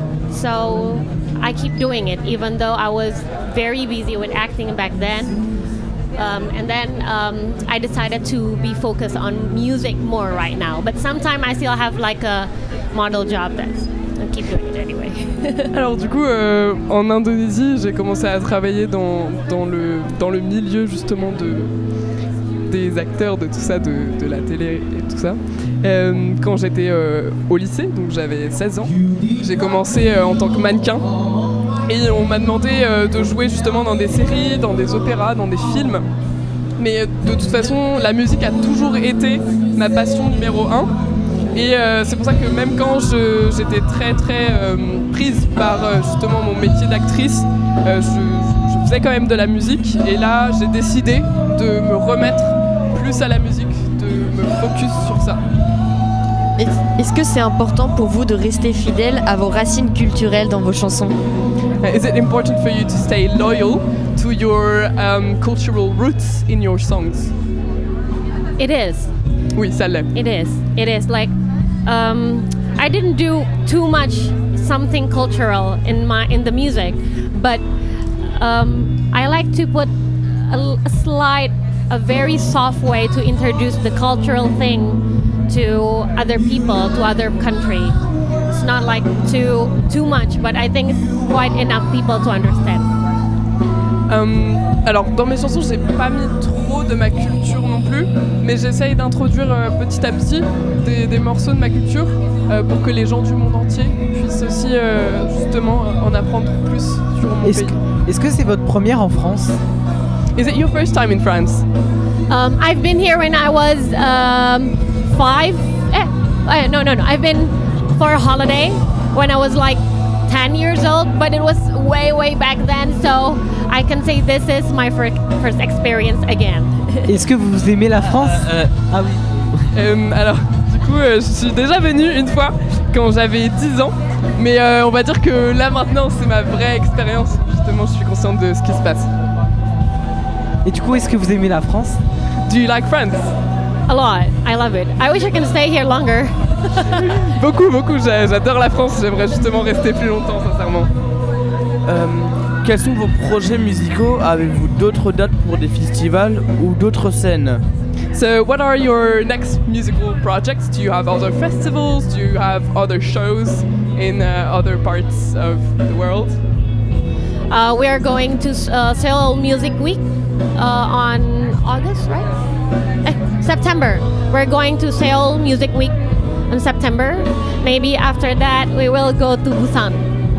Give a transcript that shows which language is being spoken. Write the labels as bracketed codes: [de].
[en] So I keep doing it, even though I was very busy with acting back then. And then I decided to be focused on music more right now. But sometimes I still have like a model job that I keep doing it anyway. [fr] Alors du coup, en Indonésie, j'ai commencé à travailler dans le milieu justement des acteurs, de tout ça, de la télé et tout ça. Quand j'étais au lycée, donc j'avais 16 ans, j'ai commencé en tant que mannequin. Et on m'a demandé de jouer justement dans des séries, dans des opéras, dans des films. Mais de toute façon, la musique a toujours été ma passion numéro 1. Et c'est pour ça que même quand j'étais très très prise par justement mon métier d'actrice, je faisais quand même de la musique. Et là, j'ai décidé de me remettre plus à la musique, de me focus sur ça. Est-ce que c'est important pour vous de rester fidèle à vos racines culturelles dans vos chansons? [en] Is it important for you to stay loyal to your cultural roots in your songs? It is. [fr] Oui, ça l'est. [en] It is. It is. Like, I didn't do too much something cultural in the music, but I like to put a slight, a very soft way to introduce the cultural thing to other people, to other country. It's not like too much, but I think it's quite enough people to understand. [fr] Alors dans mes chansons j'ai pas mis trop de ma culture non plus, mais j'essaye d'introduire petit à petit des morceaux de ma culture pour que les gens du monde entier puissent aussi justement en apprendre plus sur mon pays. Est-ce que c'est votre première en France? [en] Is it your first time in France? I've been here when I was five. I've been for a holiday when I was like 10 years old, but it was way, way back then, so I can say this is my first experience again. [fr] Est-ce que vous aimez la France? Alors, du coup, je suis déjà venue une fois quand j'avais 10 ans, mais on va dire que là maintenant, c'est ma vraie expérience. Justement, je suis consciente de ce qui se passe. Et du coup, est-ce que vous aimez la France? [en] Do you like France? A lot. I love it. I wish I can stay here longer. [fr] Beaucoup, beaucoup. J'adore la France. J'aimerais justement rester plus longtemps, sincèrement. Quels sont vos projets musicaux? Avez-vous d'autres dates pour des festivals ou d'autres scènes? [en] So, what are your next musical projects? Do you have other festivals? Do you have other shows in other parts of the world? We are going to Seoul Music Week on August, right? September. We're going to Seoul Music Week in September. Maybe after that we will go to Busan.